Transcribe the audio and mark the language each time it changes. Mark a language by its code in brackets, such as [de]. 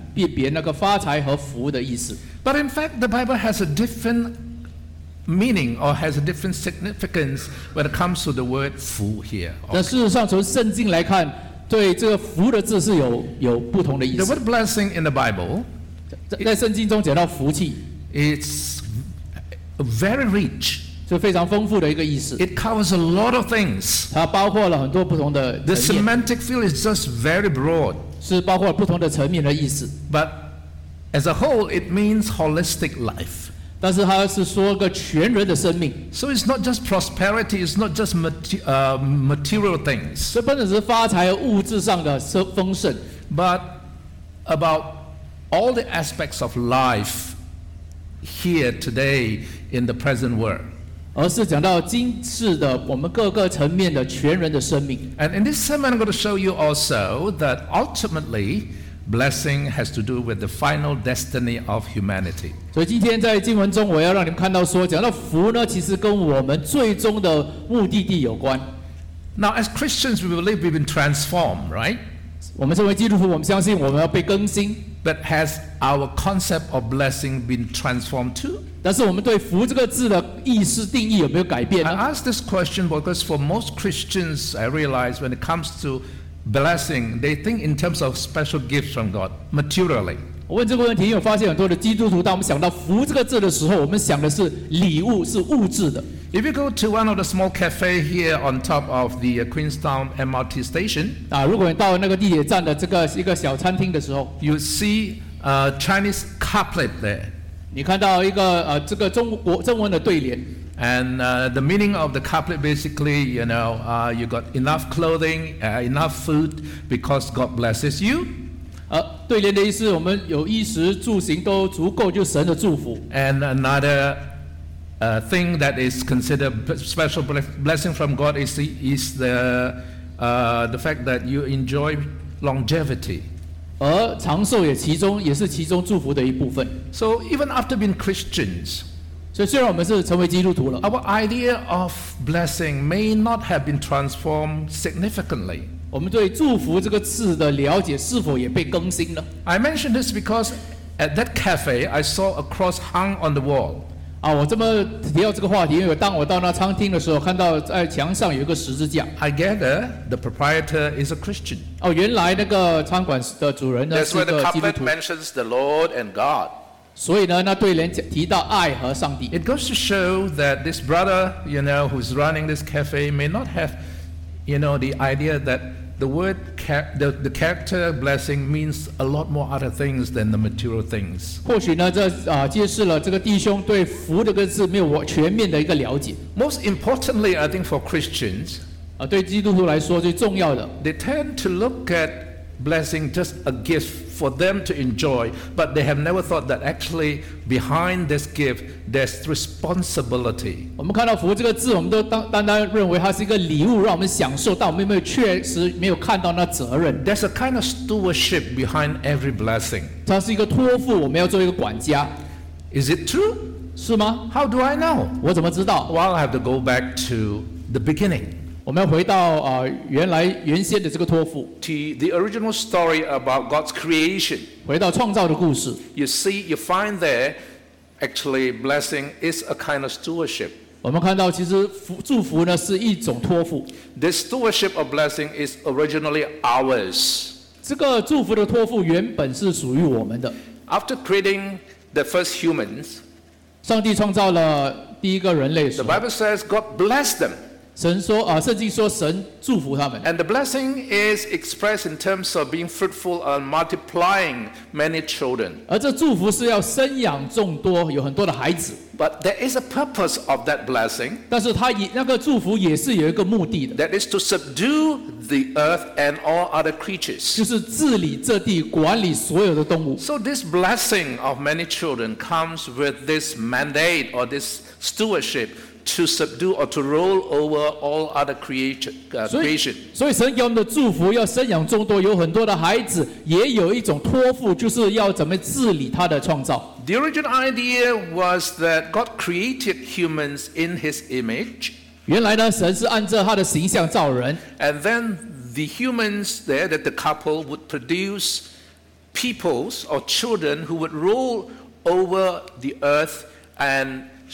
[zh] 作为华人呢，有时候我们很难辨别那个发财和福的意思. [en] But in fact, the Bible has a different meaning or has a different significance when it comes to the word 福 here. Okay. [zh] 但事实上，从圣经来看，对这个福的字是有不同的意思. [en] The word blessing in the Bible. [zh] 在圣经中讲到福气, [en] it's very rich. [zh] 是非常丰富的一个意思. [en] It covers a lot of things. [zh] 它包括了很多不同的. [en] The semantic field is just very broad. [zh] 是包括了不同的层面的意思. [en] But as a whole, it means holistic life. [zh] 但是它是说个全人的生命. [en] So it's not just prosperity. It's not just material things. [zh] 这不只是发财物质上的丰盛. [en] But about all the aspects of life here today in the present world. [zh] 而是讲到今世的我们各个层面的全人的生命. [en] And in this sermon, I'm going to show you also that ultimately, blessing has to do with the final destiny of humanity. [zh] 所以今天在经文中，我要让你们看到说，讲到福呢，其实跟我们最终的目的地有关。 [en] Now, as Christians, we believe we've been transformed, right? [zh] 我们身为基督徒，我们相信我们要被更新。 [en] But has our concept of blessing been transformed too? [zh] 但是我们对福这个字的意思定义有没有改变呢？ [en] I ask this question because for most Christians, I realize when it comes to blessing, they think in terms of special gifts from God, materially. [zh] 我问这个问题，因为我发现很多的基督徒，当我们想到福这个字的时候，我们想的是礼物，是物质的。 [en] If you go to one of the small cafes here on top of the Queenstown MRT station, [zh] 如果你到那个地铁站的这个一个小餐厅的时候 [en] ，you see a Chinese couplet there. [zh] 你看到一个这个中文的对联。 [en] And the meaning of the couplet basically, you know, you got enough clothing, enough food, because God blesses you. [zh] 对联的意思，我们有衣食住行都足够，就神的祝福。 [en] And another. Thing that is considered special blessing from God is the fact that you enjoy longevity. [zh] 而长寿也是其中祝福的一部分。 [en] So even after being Christians, [zh] 所以虽然我们是成为基督徒了 [en] ，our idea of blessing may not have been transformed significantly. [zh] 我们对祝福这个词的了解是否也被更新了 [en] ？I mention this because at that cafe, I saw a cross hung on the wall. [zh] 我这么提到这个话题，因为当我到那餐厅的时候，看到在墙上有一个十字架。 [en] I gather the proprietor is a Christian. [zh] 原来那个餐馆的主人呢是一个基督徒。 [en] That's where the couplet mentions the Lord and God. [zh] 所以呢，那对联提到爱和上帝。 [en] It goes to show that this brother, you know, who's running this cafe, may not have, you know, the idea that the character blessing means a lot more other things than the material things. [zh] 或许呢，这揭示了这个弟兄对福这个字没有全面的一个了解。 [en] Most importantly, I think for Christians, [zh] 对基督徒来说最重要的 [en] ，they tend to look at blessing just a gift for them to enjoy, but they have never thought that actually behind this gift there's responsibility. [zh] 我们看到福这个字，我们都单单认为它是一个礼物，让我们享受，但我们确实没有看到那责任。 [en] There's a kind of stewardship behind every blessing. [zh] 它是一个托付，我们要做一个管家。 [en] Is it true? [zh] 是吗 [en] ？How do I know? [zh] 我怎么知道 [en] ？Well, I have to go back to the beginning. [zh] 我们要回到原先的这个托付。 [en] The original story about God's creation. [zh] 回到创造的故事。 [en] You see, you find there, actually, blessing is a kind of stewardship. [zh] 我们看到其实祝福呢是一种托付。 [en] This stewardship of blessing is originally ours. [zh] 这个祝福的托付原本是属于我们的。 [en] After creating the first humans, [zh] 上帝创造了第一个人类的时候。 [en] The Bible says God blessed them. [zh] 圣经说神祝福他们。 [en] And the blessing is expressed in terms of being fruitful and multiplying many children. [zh] 而这祝福是要生养众多，有很多的孩子。 [en] But there is a purpose of that blessing. [zh] 但是那个祝福也是有一个目的的。 [en] That is to subdue the earth and all other creatures. [zh] 就是治理这地，管理所有的动物。 [en] So this blessing of many children comes with this mandate or this stewardship. To subdue or to rule over all other creation. [zh] 所以神给我们的祝福要生养众多，有很多的孩子，也有一种托付，就是要怎么治理他的创造。 [en] The original idea was that God created humans in His image. [zh] 原来呢，神是按照他的形象造人。 [en] And then the humans there, that the couple would produce peoples or children who would rule over the earth and.